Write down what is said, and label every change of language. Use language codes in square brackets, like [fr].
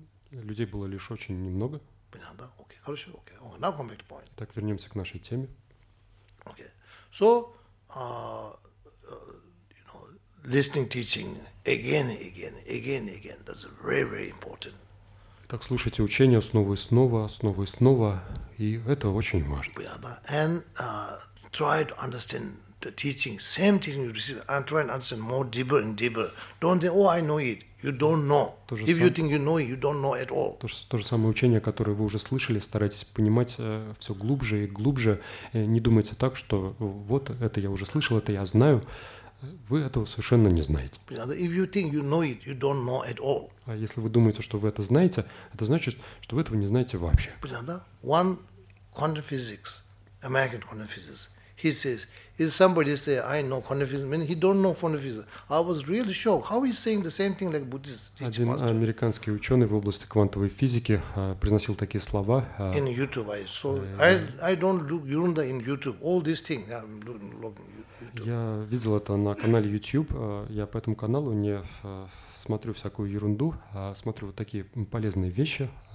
[ru] Людей было лишь очень немного. Понятно? Окей, хорошо, окей. [en] Now come back to point. [ru] Так, вернемся к нашей теме. Окей. [en] So, you know, listening teaching again, again, again, again. That's very, very important. [ru] Так слушайте учение снова и снова, снова и снова, и это очень важно. [en] And try to understand the teaching, same teaching you receive, and try to understand more deeper and deeper. Don't think, oh, I know it. You don't know. If you think you know it, you don't know at all. [ru] То же самое учение, которое вы уже слышали, старайтесь понимать все глубже и глубже. Не думайте так, что вот это я уже слышал, это я знаю. Вы этого совершенно не знаете. [en] If you think you know it, you don't know at all. [ru] А если вы думаете, что вы это знаете, это значит, что вы этого не знаете вообще. [en] One quantum physics, American quantum physics, he says, if somebody say I know quantum physics, I mean he don't know quantum physics. I was really shocked. How he saying the same thing like Buddhist teacher? [ru] Один американский ученый в области квантовой физики произносил такие слова. [en] In YouTube, I saw. I don't look Yurunda in YouTube. All these things I'm looking. [ru] Я видел это на канале YouTube, я по этому каналу не смотрю всякую ерунду, а смотрю вот такие полезные вещи.